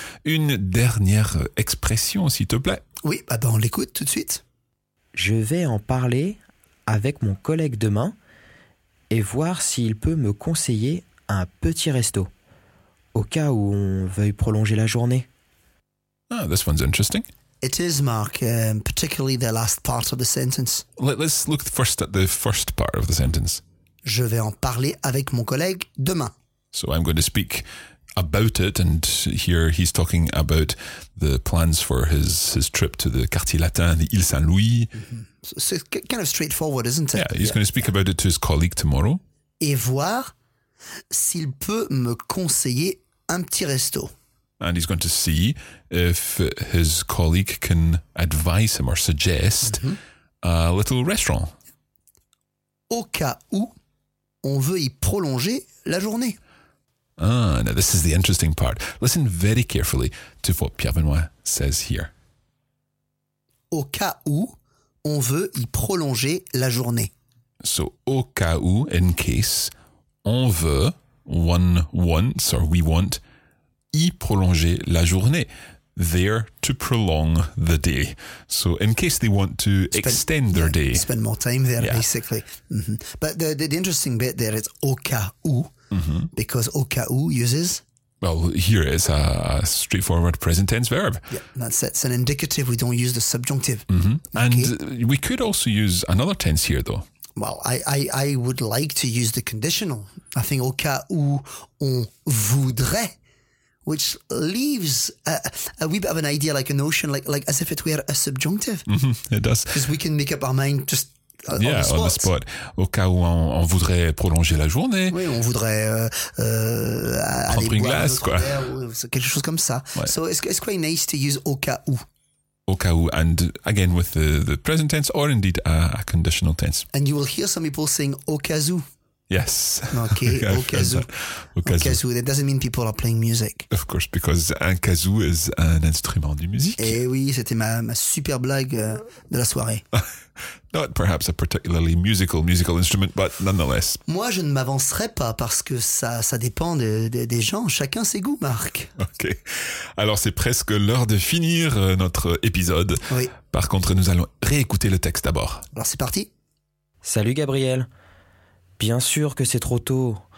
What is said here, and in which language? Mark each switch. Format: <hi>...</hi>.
<fr>Une dernière expression, s'il te plaît. Oui, bah ben on l'écoute tout de suite. Je vais en parler avec mon collègue demain et voir s'il peut me conseiller un petit resto au cas où on veuille prolonger la journée.</fr> <en>Ah, this one's interesting. It is, Mark, particularly the last part of the sentence. Let's look first at the first part of the sentence.</en> <fr>Je vais en parler avec mon collègue demain.</fr> <en>So I'm going to speak about it, and here he's talking about the plans for his trip to the Quartier Latin, the Île Saint-Louis. Mm-hmm. So it's kind of straightforward, isn't it? Yeah, he's going to speak about it to his colleague tomorrow.</en> <fr>Et voir s'il peut me conseiller un petit resto.</fr> <en>And he's going to see if his colleague can advise him or suggest a little restaurant.</en> <fr>Au cas où on veut y prolonger la journée.</fr> <en>Ah, now this is the interesting part. Listen very carefully to what Pierre Benoît says here.</en> <fr>Au cas où on veut y prolonger la journée.</fr> <en>So, au cas où, in case, on veut, one wants or we want,</en> <fr>y prolonger la journée.</fr> <en>There to prolong the day. So, in case they want to extend their day. Spend more time there, basically. Mm-hmm. But the interesting bit there is au cas où. Mm-hmm. Because au cas où uses? Well, here it's a straightforward present tense verb. Yeah, that's it. It's an indicative. We don't use the subjunctive. Mm-hmm. And we could also use another tense here, though. Well, I would like to use the conditional. I think</en> <fr>au cas où on voudrait,</fr> <en>which leaves a wee bit of an idea, like a notion, like as if it were a subjunctive. Mm-hmm. It does. Because we can make up our mind just... On the spot.</en> <fr>Au cas où on voudrait prolonger la journée. Oui, on voudrait prendre aller une glace, quoi. Quelque chose comme ça. Ouais.</fr> <en>So it's quite nice to use au cas où. Au cas où, and again with the present tense or indeed a conditional tense. And you will hear some people saying au cas où. Yes. Okay. Au cas où. That doesn't mean people are playing music. Of course, because</en> <fr>un kazoo</fr> <en>is an</en> <fr>instrument de musique. Et oui, c'était ma super blague de la soirée.</fr> <en>Not perhaps a particularly musical instrument, but nonetheless.</en> <fr>Moi, je ne m'avancerai pas parce que ça dépend des gens. Chacun ses goûts, Marc. Ok. Alors, c'est presque l'heure de finir notre épisode. Oui. Par contre, nous allons réécouter le texte d'abord. Alors, c'est parti. Salut, Gabriel. Bien sûr que c'est trop tôt.</fr>